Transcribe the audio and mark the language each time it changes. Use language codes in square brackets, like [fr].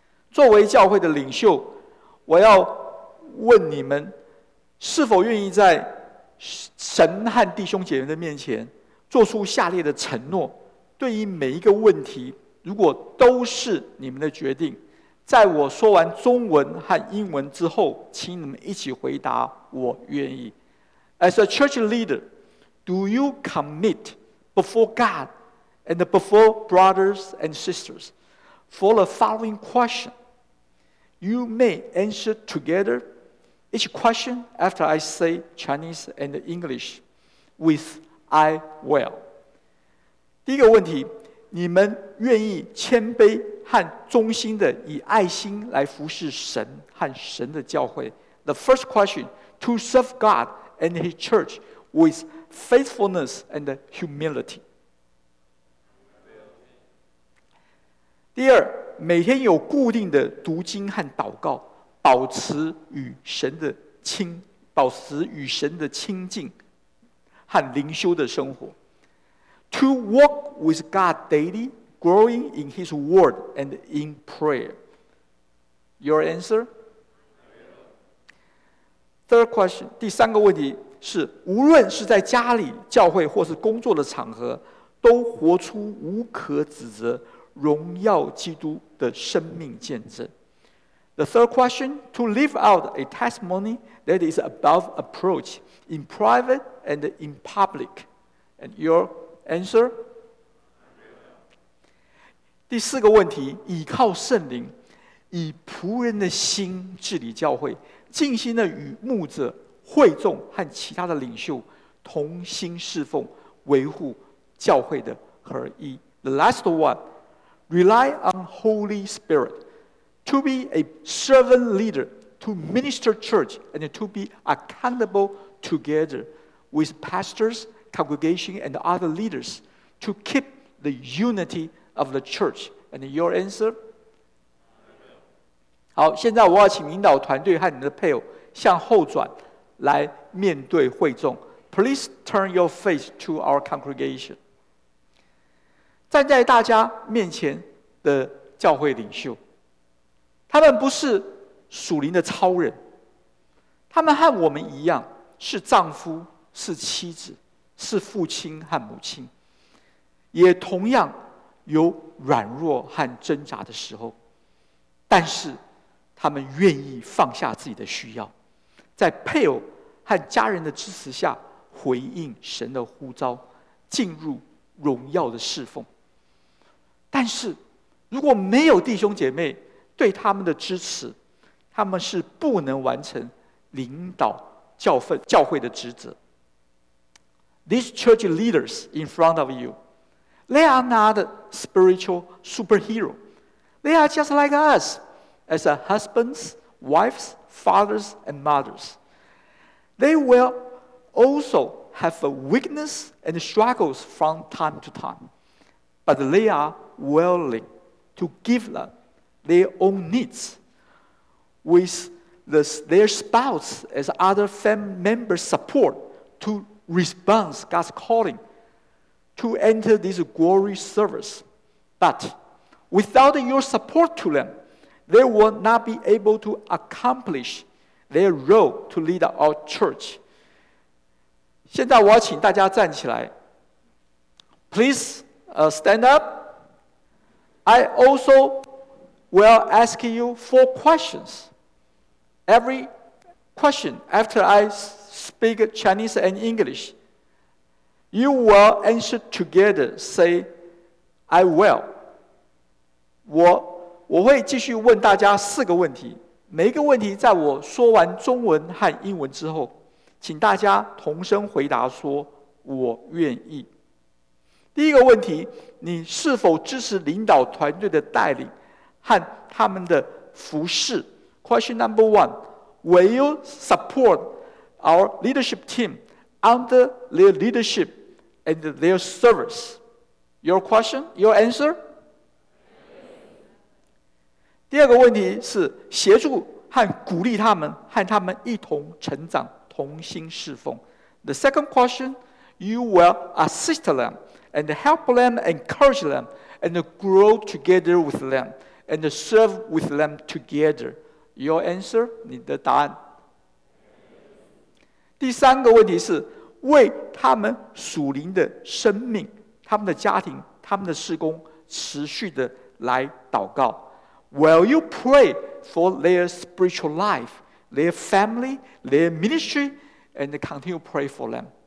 [zh] 作为教会的领袖，我要问你们，是否愿意在神和弟兄姐妹的面前做出下列的承诺？对于每一个问题，如果都是你们的决定。在我说完中文和英文之后，请你们一起回答，我愿意。 [en] As a church leader, do you commit before God and before brothers and sisters for the following question? You may answer together each question after I say Chinese and English with I will. [zh] 第一个问题，你们愿意谦卑和忠心的以爱心来服侍神和神的教会。 [en] The first question, to serve God and His church with faithfulness and humility. [zh] 第二，每天有固定的读经和祷告，保持与神的亲近和灵修的生活。 [en] To walk with God daily, growing in His word and in prayer. Your answer? Third question, [zh] 第三个问题是，无论是在家里、教会或是工作的场合，都活出无可指责、荣耀基督的生命见证。 [en] The third question, to live out a testimony that is above approach in private and in public. And your answer? [zh] 第四个问题，倚靠圣灵，以仆人的心治理教会，尽心的与牧者、会众和其他的领袖同心侍奉，维护教会的合一。 [en] The last one, rely on Holy Spirit. To be a servant leader, to minister church, and to be accountable together with pastors, congregation, and other leaders to keep the unity of the church. And your answer? [zh] 好，现在我要请领导团队和你的配偶向后转来面对会众。 [en] Please turn your face to our congregation. [zh] 站在大家面前的教会领袖，他们不是属灵的超人，他们和我们一样，是丈夫，是妻子，是父亲和母亲，也同样有软弱和挣扎的时候，但是他们愿意放下自己的需要，在配偶和家人的支持下回应神的呼召，进入荣耀的侍奉。但是如果没有弟兄姐妹对他们的支持，他们是不能完成领导教会的职责。 [en] These church leaders in front of you, they are not spiritual superhero. They are just like us, as a husbands, wives, fathers, and mothers. They will also have a weakness and struggles from time to time, but they are willing to give themTheir own needs with their spouse as other family members support to respond God's calling to enter this glory service. But without your support to them, they will not be able to accomplish their role to lead our church. [zh] 现在我要请大家站起来。 [en] Please stand up. I also... We'll ask you four questions. Every question after I speak Chinese and English, you will answer together, say, I will. [zh] 我会继续问大家四个问题，每一个问题在我说完中文和英文之后，请大家同声回答说，我愿意。第一个问题，你是否支持领导团队的带领和他们的服侍。 [en] Question number one, will you support our leadership team under their leadership and their service? Your question, your answer? [zh] 第二个问题是协助和鼓励他们，和他们一同成长，同心侍奉。 [en] The second question, you will assist them and help them, encourage them and grow together with themand serve with them together. Your answer, [zh] 你的答案。第三个问题是为他们属灵的生命、他们的家庭、他们的事工持续的来祷告。 [en] Will you pray for their spiritual life, their family, their ministry, and continue pray for them?